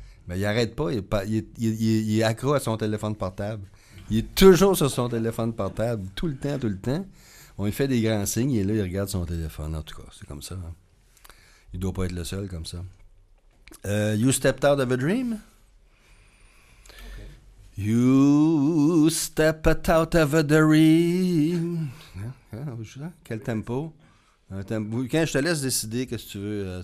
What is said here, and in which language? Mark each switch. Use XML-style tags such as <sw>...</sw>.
<fr>Mais il n'arrête pas, il est accro à son téléphone portable. Il est toujours sur son téléphone portable, tout le temps. On lui fait des grands signes et là, il regarde son téléphone. En tout cas, c'est comme ça. Hein. Il ne doit pas être le seul comme ça.</fr> <en>You stepped out of a dream? Okay. You stepped out of a dream.</en> <fr>Quel tempo? Quand je te laisse décider, qu'est-ce que tu veux?</fr>